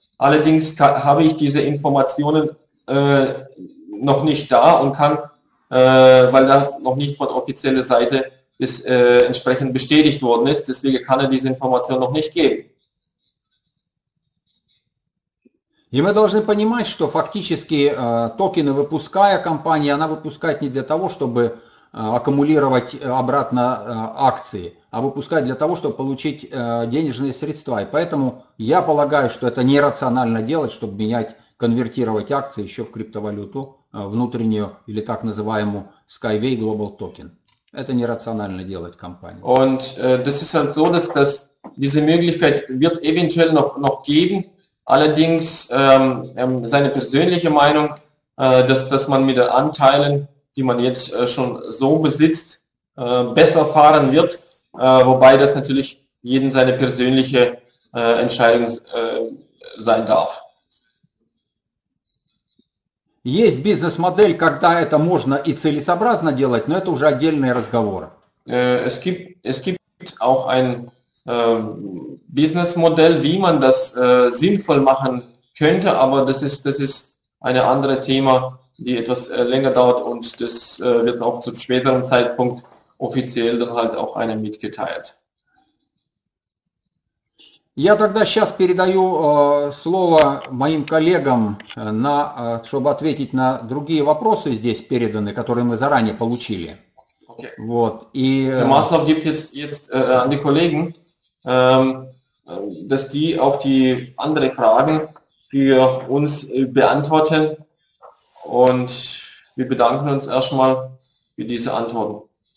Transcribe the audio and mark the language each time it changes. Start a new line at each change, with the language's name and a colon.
German: Allerdings habe ich diese Informationen noch nicht da und kann, weil das noch nicht von offizieller Seite ist, entsprechend bestätigt worden ist. Deswegen kann er diese Information noch nicht geben.
Russian: И мы должны понимать, что фактически токены, выпуская компания, она выпускает не для того, чтобы аккумулировать обратно акции, а выпускать для того, чтобы получить денежные средства. И поэтому я полагаю, что это нерационально делать, чтобы менять, конвертировать акции еще в криптовалюту внутреннюю или так называемую Skyway Global Token. Это нерационально делать компания.
German: Und das ist halt so, dass das, diese Möglichkeit wird eventuell noch geben. Allerdings seine persönliche Meinung, dass man mit den Anteilen, die man jetzt schon so besitzt, besser fahren wird, wobei das natürlich jeden seine persönliche Entscheidung sein darf.
Russian: Есть бизнес-модель, когда это можно и целесообразно делать, но это уже отдельный разговор.
German: Es gibt auch ein Businessmodell, wie man das sinnvoll machen könnte, aber das ist eine andere Thema, die etwas länger dauert und das wird auch zum späteren Zeitpunkt offiziell dann halt auch einem mitgeteilt.
Russian: Я тогда сейчас передаю слово моим коллегам, чтобы ответить на другие вопросы здесь переданные, которые мы заранее получили.
English: Okay.
Russian: Вот.
German: И Маслов gibt jetzt an die Kollegen, dass die auch die anderen Fragen für uns beantworten. Und wir bedanken uns erstmal für diese Antworten.